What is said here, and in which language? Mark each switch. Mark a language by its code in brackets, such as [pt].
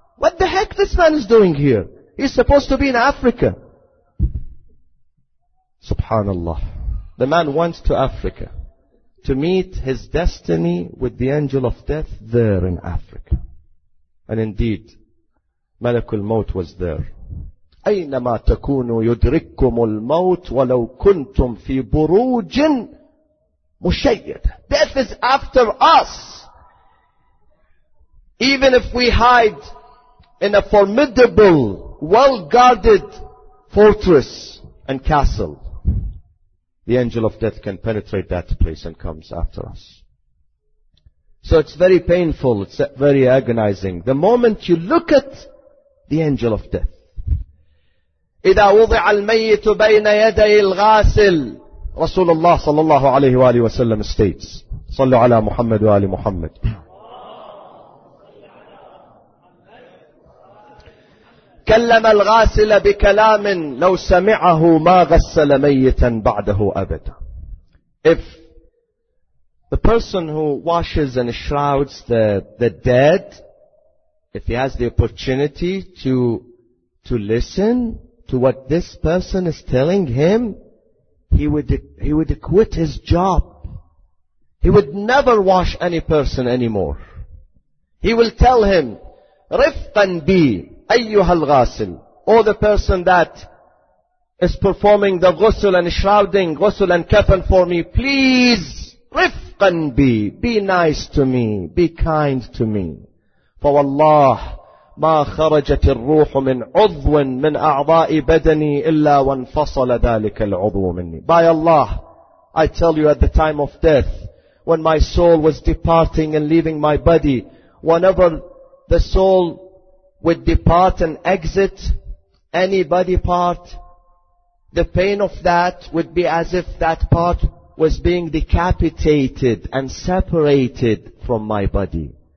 [en] What the heck this man is doing here? He's supposed to be in Africa. Subhanallah. The man went to Africa to meet his destiny with the angel of death there in Africa. And indeed, Malakul Maut was there. [ar] أينما تكونوا يدرككم الموت ولو كنتم في بروج مشيدة. [en] Death is after us. Even if we hide in a formidable, well-guarded fortress and castle, the angel of death can penetrate that place and comes after us. So it's very painful, it's very agonizing. The moment you look at the angel of death, [ar] إِذَا وُضِعَ الْمَيِّتُ بَيْنَ يَدَيِ الْغَاسِلِ رسول الله صلى الله عليه وآله وسلم states, صلوا على محمد وآل محمد. كلم الغاسل بكلام لو سمعه ما غسل ميتا بعده أبدا. [en] If the person who washes and shrouds the dead, if he has the opportunity to listen to what this person is telling him, he would quit his job. He would never wash any person anymore. He will tell him, [ar] رِفْقًا بِي أَيُّهَا الْغَاسِلِ, [en] or the person that is performing the ghusl and shrouding, ghusl and kafan for me, please, [ar] رِفْقًا بِي, [en] be nice to me, be kind to me. [ar] فَوَاللَّهِ ما خرجت الروح من عضو من أعضاء بدني إلا وانفصل ذلك العضو مني. [en] By Allah, I tell you, at the time of death, when my soul was departing and leaving my body, whenever the soul would depart and exit any body part, the pain of that would be as if that part was being decapitated and separated from my body.